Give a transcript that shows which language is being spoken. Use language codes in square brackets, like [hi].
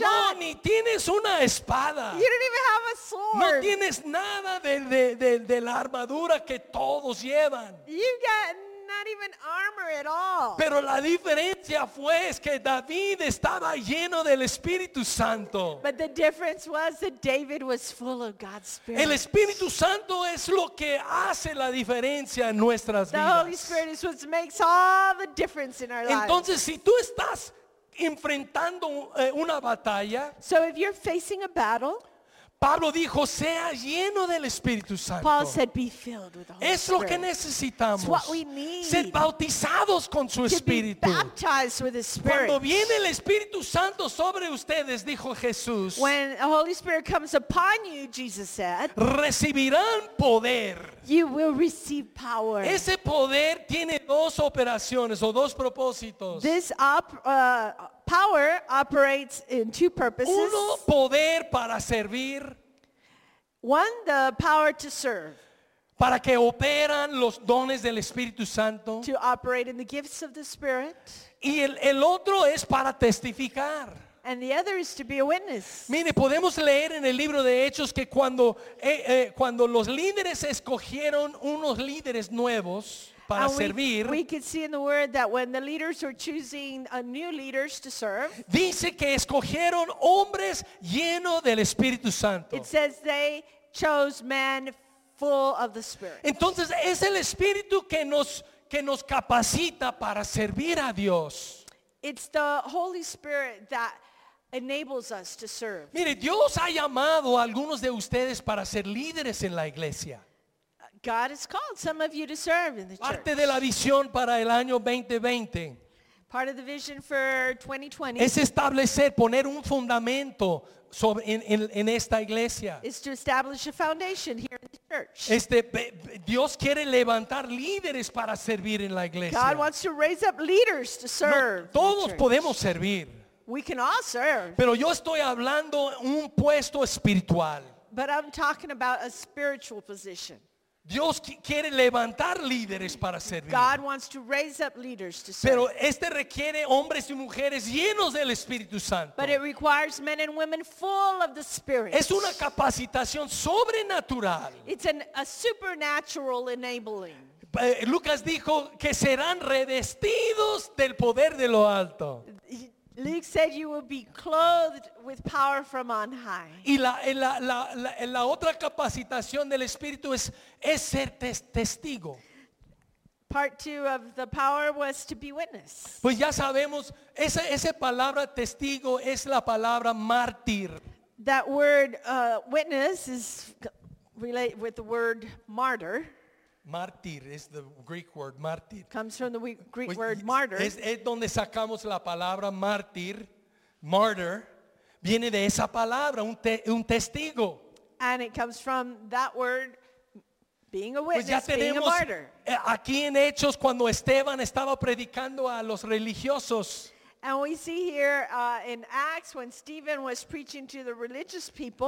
[es] No, ni tienes una espada. [en] You don't even have a sword. [es] No tienes nada de la armadura que todos llevan. [en] You got not even armor at all. [es] Pero la diferencia fue es que David estaba lleno del Espíritu Santo. [en] But the difference was that David was full of God's Spirit. [es] El Espíritu Santo es lo que hace la diferencia en nuestras vidas. [en] The Holy Spirit is what makes all the difference in our lives. [es] Entonces, si tú estás enfrentando una batalla, [en] so if you're facing a battle, [es] Pablo dijo, sea lleno del Espíritu Santo. [en] Paul said, be filled with the Holy [es] Spirit. Es lo que necesitamos. [en] It's what we need. [es] Ser bautizados con su Espíritu. [en] To be baptized with the Spirit. [es] Cuando viene el Espíritu Santo sobre ustedes, dijo Jesús. [en] When the Holy Spirit comes upon you, Jesus said. [es] Recibirán poder. [en] You will receive power. [es] Ese poder tiene dos operaciones o dos propósitos. [en] This power operates in two purposes. [es] Uno, poder para servir. [en] One, the power to serve. [es] Para que operan los dones del Espíritu Santo. [en] To operate in the gifts of the Spirit. [es] Y el otro es para testificar. [en] And the other is to be a witness. [es] Mire, podemos leer en el libro de Hechos que cuando los líderes escogieron unos líderes nuevos para servir, [en] we could see in the word that when the leaders were choosing new leaders to serve, [es] dice que escogieron hombres llenos del Espíritu Santo. [en] It says they chose men full of the Spirit. [es] Entonces es el Espíritu que nos capacita para servir a Dios. [en] It's the Holy Spirit that enables us to serve. [es] Mire, Dios ha llamado a algunos de ustedes para ser líderes en la iglesia. [en] God has called some of you to serve in the church. [es] Parte de la visión para el año 2020. [en] Part of the vision for 2020. [es] Es establecer, poner un fundamento sobre en esta iglesia. [en] Is to establish a foundation here in the church. [es] Dios quiere levantar líderes para servir en la iglesia. [en] God wants to raise up leaders to serve. [es] No, todos podemos servir. [en] We can all serve. [es] Pero yo estoy hablando un puesto espiritual. [en] But I'm talking about a spiritual position. [es] Dios quiere levantar líderes para servir. [en] God wants to raise up leaders to serve. [es] Pero este requiere hombres y mujeres llenos del Espíritu Santo. [en] But it requires men and women full of the Spirit. [es] Es una capacitación sobrenatural. [en] It's a supernatural enabling. [es] Lucas dijo que serán revestidos del poder de lo alto. [en] Luke said you will be clothed with power from on high. [es] Y la otra capacitación del Espíritu es ser testigo. [en] Part two of the power was to be witness. [es] Pues ya sabemos, esa palabra testigo es la palabra mártir. [en] That word witness is related with the word martyr. Mártir is the Greek word martyr. Comes from the Greek word martyr. [es] Es donde sacamos la palabra mártir. Martyr viene de esa palabra, un testigo. [en] And it comes from that word being a witness, pues being a martyr. [es] Aquí en Hechos cuando Esteban estaba predicando a los religiosos. [en] And we see here in Acts when Stephen was preaching to the religious people.